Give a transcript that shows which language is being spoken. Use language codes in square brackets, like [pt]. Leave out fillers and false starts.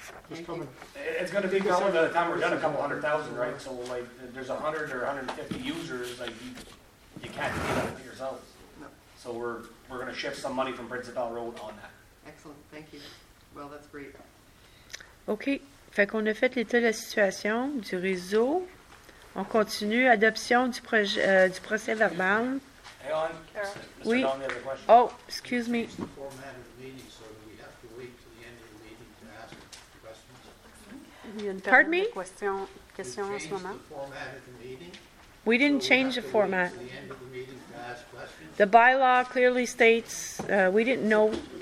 [en] It's going to be probably by the time we're done, a couple hundred thousand, right? So, like, there's 100 or 150 users, like, you can't do that to yourselves. No. So, we're going to shift some money from Principal Road on that. Excellent. Thank you. Well, that's great. OK. [fr] Fait qu'on a fait l'état de la situation du réseau. On continue. Adoption du procès verbal. [en] Hey, Helen? [fr] Oui. [en] Mr. Don, the other question? Oh, excuse me. It's a format of the meeting, so do we have to wait till the end of the meeting to ask questions? Pardon me? Question [fr] en ce moment. [en] The format of the meeting? We didn't change the format. Until the end of the meeting to ask questions? The bylaw clearly states, we didn't know.